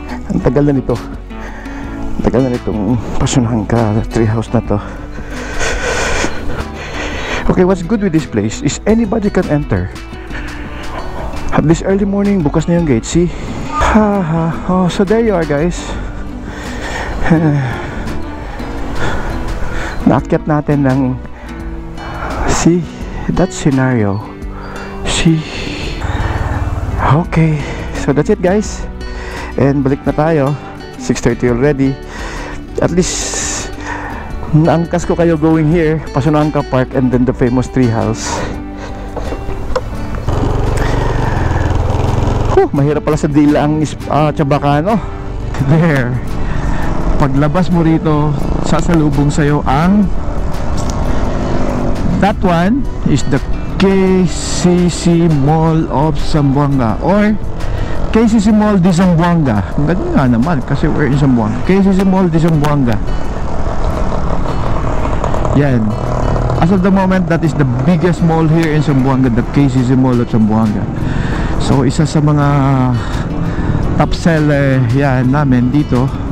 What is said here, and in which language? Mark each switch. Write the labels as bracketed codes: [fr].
[tl] Ang tagal na nito, ang tagal na nitong Pasunangka treehouse na to. [en] Okay, what's good with this place is anybody can enter. At this early morning, [tl] bukas na yung gate, [en] see? Oh, so there you are guys. [tl] Naakyat natin ng, [en] see, that scenario. See? Okay, so that's it guys. [tl] And balik na tayo, [en] 6:30 already. At least, [tl] naangkas ko kayo [en] going here, Pasunangka Park and then the famous treehouse. [tl] Mahirap pala sa dila ang tsabaka, no? [en] There. [tl] Paglabas mo rito, sasalubong sa'yo ang [en] that one is the KCC Mall of Zamboanga or KCC Mall de Zamboanga. [tl] Ganyan nga naman kasi [en] we're in Zamboanga. [tl] KCC Mall de Zamboanga. Yan. [en] As of the moment, that is the biggest mall here in Zamboanga, the KCC Mall of Zamboanga. [tl] So, isa sa mga top seller yan namin dito.